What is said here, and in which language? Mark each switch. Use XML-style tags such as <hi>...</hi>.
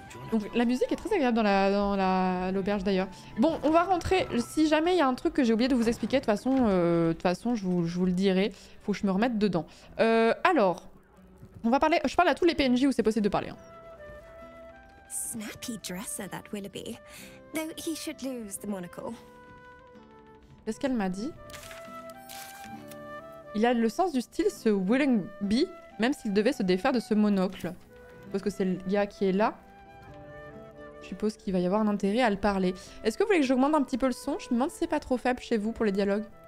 <fr>Donc la musique est très agréable l'auberge d'ailleurs. Bon, on va rentrer. Si jamais il y a un truc que j'ai oublié de vous expliquer, de toute façon, je vous le dirai. Faut que je me remette dedans. Alors, on va parler. Je parle à tous les PNJ où c'est possible de parler. Hein.</fr> <en>Snappy dresser that Willoughby, though he should lose the monocle.</en> <fr>Qu'est-ce qu'elle m'a dit? Il a le sens du style, ce Willoughby, même s'il devait se défaire de ce monocle, parce que c'est le gars qui est là. Je suppose qu'il va y avoir un intérêt à le parler. Est-ce que vous voulez que j'augmente un petit peu le son? Je me demande si c'est pas trop faible chez vous pour les dialogues.</fr>